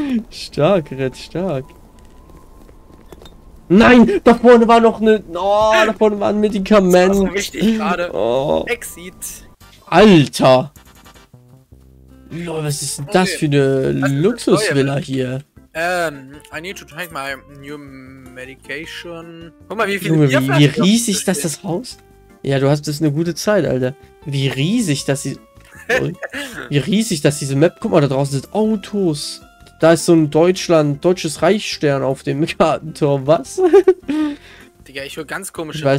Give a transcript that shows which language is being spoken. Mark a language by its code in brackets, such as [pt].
[de] Stark, Red, stark. Nein, da vorne war noch eine. Oh, da vorne war ein Medikament. Das war so richtig gerade. Oh. [en] Exit. [de] Alter. Lol, was ist denn das für eine Luxusvilla hier? [en] I need to take my new medication. [de] Guck mal, wie viel. Junge, wie riesig ist das Haus? Ja, du hast das eine gute Zeit, Alter. Wie riesig das ist. Wie riesig das diese Map. Guck mal, da draußen sind Autos. Da ist so ein deutsches Reichstern auf dem Kartenturm. Was? Digga, ich höre ganz komische